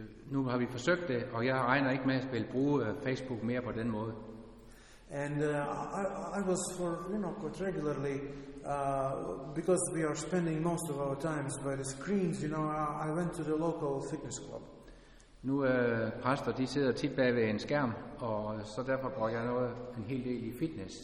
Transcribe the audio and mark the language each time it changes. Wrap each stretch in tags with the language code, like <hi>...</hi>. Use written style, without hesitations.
<da>Nu har vi forsøgt det, og jeg regner ikke med at spille bruge Facebook mere på den måde.</da> <en>And I was for, you know, quite regularly, because we are spending most of our times by the screens, you know, I went to the local fitness club.</en> <da>Nu præster, de sidder tit bag ved en skærm, og så derfor går jeg noget en hel del i fitness.</da>